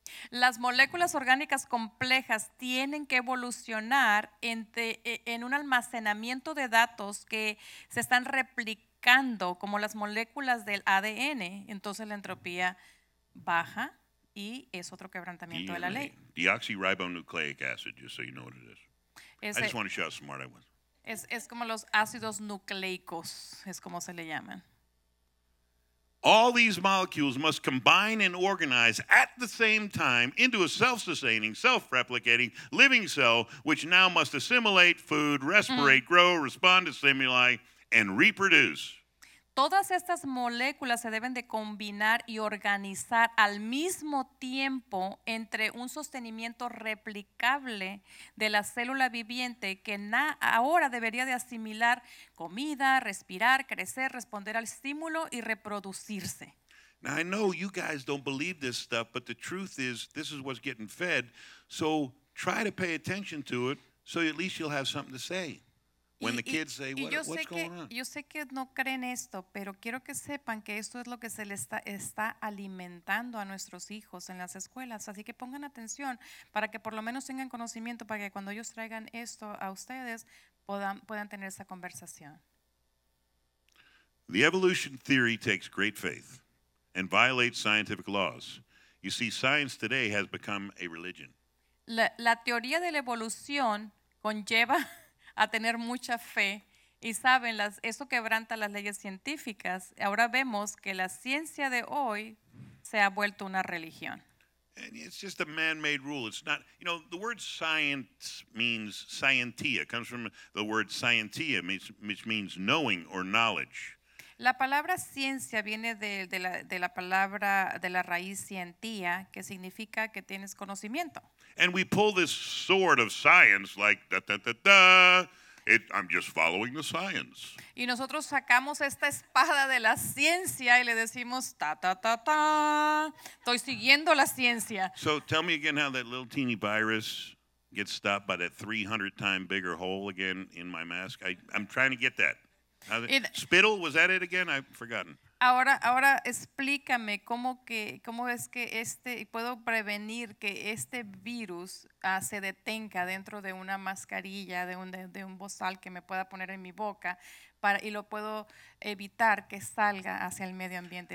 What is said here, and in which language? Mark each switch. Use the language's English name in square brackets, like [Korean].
[Spanish] Las moléculas orgánicas complejas tienen que evolucionar en un almacenamiento de datos que se están replicando como las moléculas del ADN. Entonces la entropía baja y es otro quebrantamiento de la ley. [English] Deoxyribonucleic acid, just so you know what it is. I just want to show how smart I was. [Spanish] Es como los ácidos nucleicos, es como se le llaman. [English] All these molecules must combine and organize at the same time into a self-sustaining, self-replicating, living cell, which now must assimilate food, respirate, grow, respond to stimuli, and reproduce. [Spanish] Todas estas moléculas se deben de combinar y organizar al mismo tiempo entre un sostenimiento replicable de la célula viviente que ahora debería de asimilar comida, respirar, crecer, responder al estímulo y reproducirse. [English] Now I know you guys don't believe this stuff, but the truth is this is what's getting fed. So try to pay attention to it so at least you'll have something to say. When the kids say, what's going on? [Spanish] Yo sé que no creen esto, pero quiero que sepan que esto es lo que se le está alimentando a nuestros hijos en las escuelas. Así que pongan atención para que por lo menos tengan conocimiento para que cuando ellos traigan esto a ustedes puedan tener esa conversación. [English] The evolution theory takes great faith and violates scientific laws. You see, science today has become a religion. [Spanish] La teoría de la evolución conlleva a tener mucha fe, y saben, eso quebranta las leyes científicas. Ahora vemos que la ciencia de hoy se ha vuelto una religión. [English] And it's just a man-made rule. It's not, you know, the word science means scientia. It comes from the word scientia, which means knowing or knowledge. [Spanish] La palabra ciencia viene de la palabra, de la raíz scientia, que significa que tienes conocimiento. [English] And we pull this sword of science like da da da da. I'm just following the science. [Spanish] Y nosotros sacamos esta espada de la ciencia y le decimos ta ta ta ta. Estoy siguiendo la ciencia. [English] So tell me again how that little teeny virus gets stopped by that 300 time bigger hole again in my mask. I'm trying to get that. Spittle, was that it again? I've forgotten. [Spanish] Ahora explícame cómo es que puedo prevenir que este virus se detenga dentro de una mascarilla, de un bozal que me pueda poner en mi boca y lo puedo evitar que salga hacia el medio ambiente.